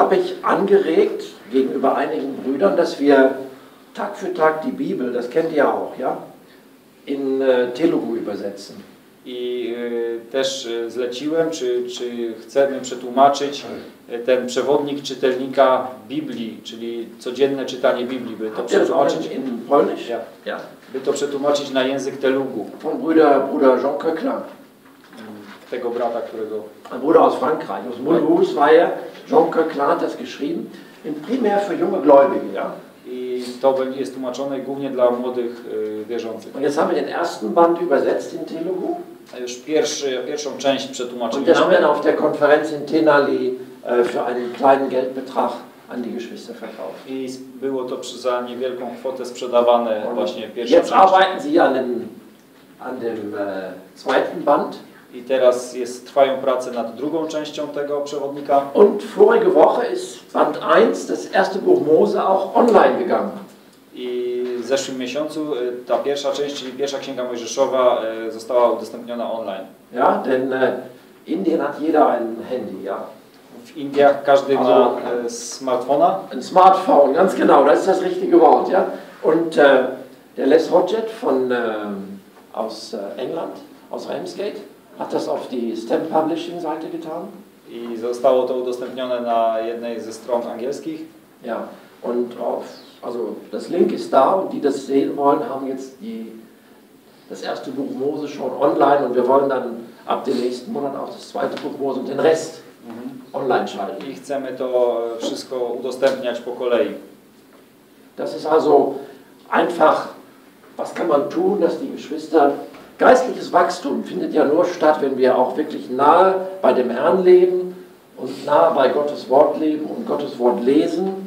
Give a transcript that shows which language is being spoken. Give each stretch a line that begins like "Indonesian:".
German: Habe ich angeregt gegenüber einigen Brüdern, dass wir Tag für Tag die Bibel, das kennt ihr auch, ja, in Telugu übersetzen.
Polish: I też zleciłem, czy chcemy przetłumaczyć ten przewodnik czytelnika Biblii, czyli codzienne czytanie Biblii, by to przetłumaczyć.
German: In Polnisch? Ja. Ja.
Polish: By to przetłumaczyć na język Telugu.
German: Von Bruder Jean Köckler.
Polish: Tego brata, którego...
German: Ein Bruder aus Frankreich, aus Mulhouse war er. Jean Köckler hat das geschrieben. In primär für junge Gläubige, ja.
Polish: I to jest tłumaczone głównie dla młodych wierzących.
German: Und jetzt haben wir den ersten Band übersetzt in Telugu.
Polish: A już pierwszą część przetłumaczyli.
German: Und das haben wir auf der Konferenz in Tenali für einen kleinen Geldbetrag an die Geschwister verkauft.
Polish: I było to za niewielką kwotę sprzedawane. Und właśnie pierwsze.
German: Jetzt arbeiten sie an dem zweiten Band.
Polish: I teraz trwają prace nad drugą częścią tego przewodnika.
German: Und vorige Woche ist Band 1, das erste Buch Mose, auch online gegangen.
Polish: I w zeszłym miesiącu ta pierwsza część, czyli pierwsza Księga Mojżeszowa, została udostępniona online.
German: Ja, denn Indien hat jeder ein Handy, ja.
Polish: W Indiach każdy ma smartfona.
German: Ein Smartphone, ganz genau, das ist das richtige Wort, ja. Und der Les Hodget von aus England, aus Ramsgate, hat das auf die Stamp Publishing Seite getan?
Polish: I zostało to udostępnione na jednej ze stron angielskich.
German: Ja, und auf, also das Link ist da und die das sehen wollen, haben jetzt das erste Buch Mose schon online und wir wollen dann ab dem nächsten Monat auch das zweite Buch Mose und den Rest online schalten.
Polish: I chcemy to wszystko udostępniać po kolei.
German: Das ist also einfach, was kann man tun, dass die Geschwister. Geistliches Wachstum findet ja nur statt, wenn wir auch wirklich nahe bei dem Herrn leben und nahe bei Gottes Wort leben und Gottes Wort lesen.